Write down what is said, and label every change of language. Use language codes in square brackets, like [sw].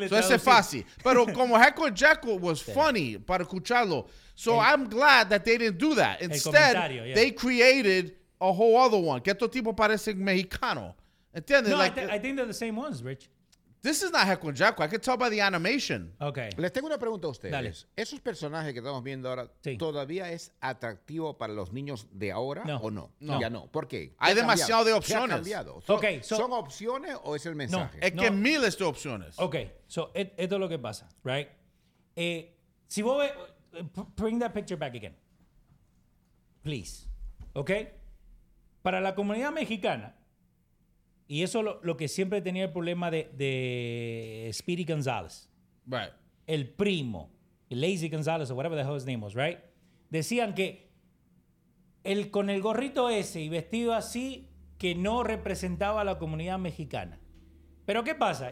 [es] de traducir. Ese fácil. Pero como Heckle and Jekyll [en] was funny [es] para escucharlo. [en] So I'm glad that they didn't do that. Instead, they created a whole other one. [es] Que estos tipos parecen mexicano. ¿Entiendes? [en] No, like, I think they're the same ones, Rich. This is not Heckle and Jekyll. I can tell by the animation. Okay. [es] Les tengo una pregunta a ustedes. Dale. ¿Esos personajes que estamos viendo ahora todavía es atractivo para los niños de ahora o no? No. Ya no. ¿Por qué? Hay demasiado de opciones. ¿Qué ha cambiado? Okay, ¿Son opciones o es el mensaje? Es que miles de opciones. Okay. [en] So, [es] esto es lo que pasa, [en] right? [es] Si vos ves, [en] bring that picture back again. Please. Okay? [es] Para la comunidad mexicana, y eso lo que siempre tenía el problema de Speedy Gonzalez. [en] Right. [es] El primo, [en] Lazy Gonzalez, or whatever the hell his name was, right? [es] Decían que el con el gorrito ese y vestido así, que no representaba a la comunidad mexicana. Pero ¿qué pasa?